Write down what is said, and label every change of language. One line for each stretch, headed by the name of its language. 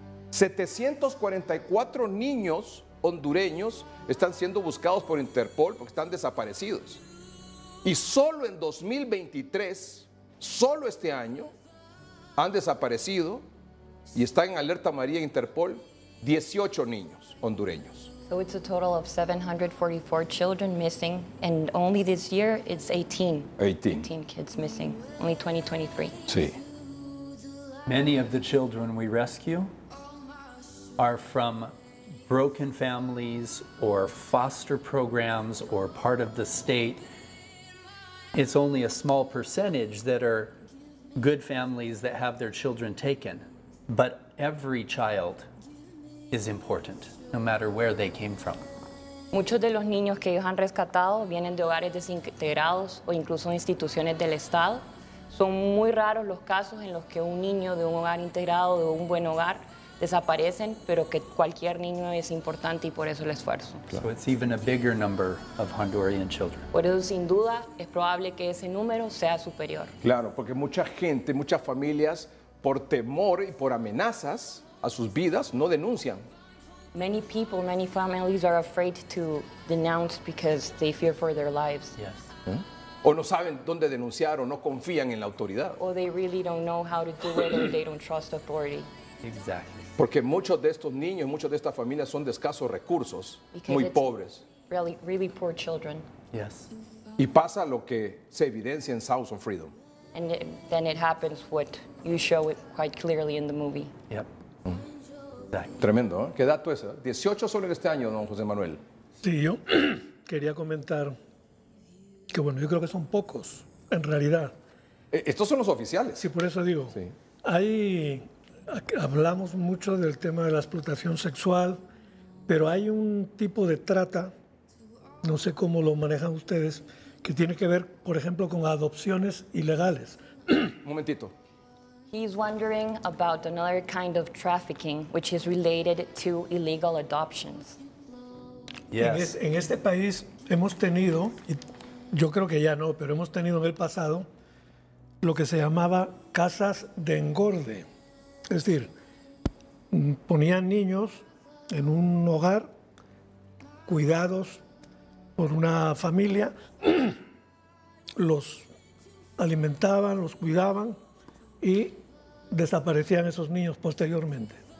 Spanish: 744 niños hondureños están siendo buscados por Interpol porque están desaparecidos. Y solo en 2023, solo este año, han desaparecido y están en alerta amarilla Interpol 18 niños hondureños.
English: So it's a total of 744 children missing, and only this year it's 18. 18 kids missing, only 2023.
Spanish: Sí.
English: Many of the children we rescue are from broken families or foster programs or part of the state. It's only a small percentage that are good families that have their children taken. But every child is important, no matter where they came from.
Spanish: Muchos de los niños que ellos han rescatado vienen de hogares desintegrados o incluso instituciones del Estado. Son muy raros los casos en los que un niño de un hogar integrado, de un buen hogar, desaparecen, pero que cualquier niño es importante y por eso el esfuerzo.
English: So it's even a bigger number of Honduran children.
Spanish: Por eso, sin duda, es probable que ese número sea superior. Claro, porque mucha gente, muchas familias, por temor y por amenazas a sus vidas, no denuncian.
English: Many people, many families are afraid to denounce because they fear for their lives. Yes.
Spanish: O no saben dónde denunciar o no confían en la autoridad.
English: Or they really don't know how to do it or they don't trust authority. Exactly.
Spanish: Porque muchos de estos niños, muchas de estas familias son de escasos recursos,
English: because
Spanish: muy pobres.
English: Really, really poor children. Yes.
Spanish: Y pasa lo que se evidencia en Sounds of Freedom.
English: And then it happens what you show it quite clearly in the movie. Yep.
Spanish: Exactly. Tremendo, ¿eh? ¿Qué dato es? 18 solo en este año, don José Manuel. Sí, yo quería comentar que, bueno, yo creo que son pocos, en realidad. Estos son los oficiales. Sí, por eso digo. Sí. Hay, hablamos mucho del tema de la explotación sexual, pero hay un tipo de trata, no sé cómo lo manejan ustedes, que tiene que ver, por ejemplo, con adopciones ilegales. Un momentito.
English: He's wondering about another kind of trafficking, which is related to illegal adoptions. Yes.
Spanish: En este país hemos tenido, yo creo que ya no, pero hemos tenido en el pasado lo que se llamaba casas de engorde. Es decir, ponían niños en un hogar cuidados por una familia, los alimentaban, los cuidaban y desaparecían esos niños posteriormente.